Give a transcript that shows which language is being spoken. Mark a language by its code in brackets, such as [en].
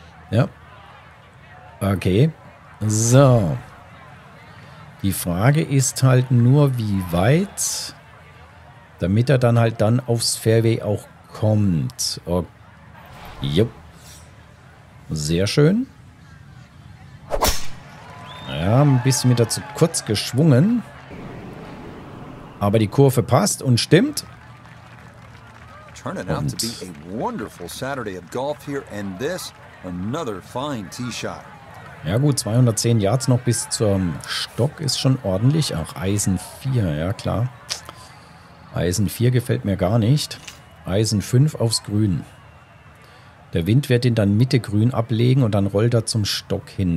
[de] Ja, okay. So, die Frage ist halt nur, wie weit, damit er dann halt dann aufs Fairway auch kommt. Okay. Jupp, sehr schön. Ja, ein bisschen wieder zu kurz geschwungen. Aber die Kurve passt und stimmt. [en] Turning out to be a wonderful Saturday of golf here, and this another fine tee shot. [de] Ja gut, 210 Yards noch bis zum Stock ist schon ordentlich. Auch Eisen 4, ja klar. Eisen 4 gefällt mir gar nicht. Eisen 5 aufs Grün. Der Wind wird ihn dann Mitte Grün ablegen und dann rollt er zum Stock hin.